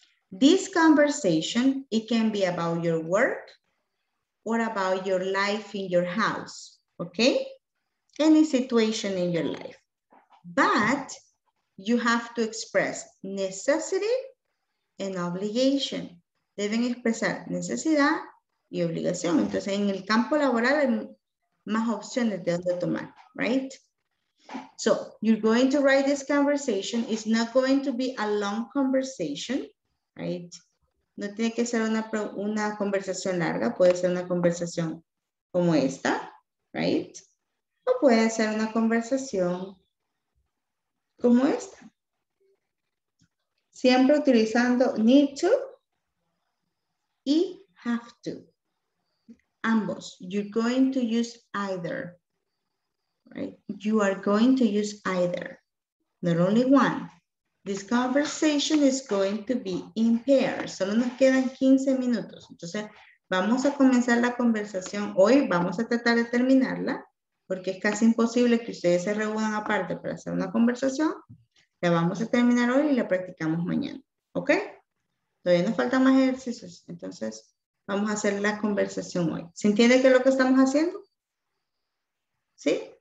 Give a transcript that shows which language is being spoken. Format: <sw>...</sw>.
<en>This conversation, it can be about your work or about your life in your house, okay? Any situation in your life. But you have to express necessity and obligation.</en> <es>Deben expresar necesidad y obligación. Entonces, en el campo laboral hay más opciones de donde tomar, right?</es> <en>So, you're going to write this conversation. It's not going to be a long conversation. Right.</en> <es>No tiene que ser una conversación larga, puede ser una conversación como esta, right? O puede ser una conversación como esta. Siempre utilizando need to y have to. Ambos.</es> <en>You're going to use either. Right? You are going to use either. Not only one. This conversation is going to be in pairs.</en> <es>Solo nos quedan 15 minutos. Entonces, vamos a comenzar la conversación. Hoy vamos a tratar de terminarla porque es casi imposible que ustedes se reúnan aparte para hacer una conversación. La vamos a terminar hoy y la practicamos mañana. ¿Ok? Todavía nos faltan más ejercicios. Entonces, vamos a hacer la conversación hoy. ¿Se entiende qué es lo que estamos haciendo? ¿Sí?</es>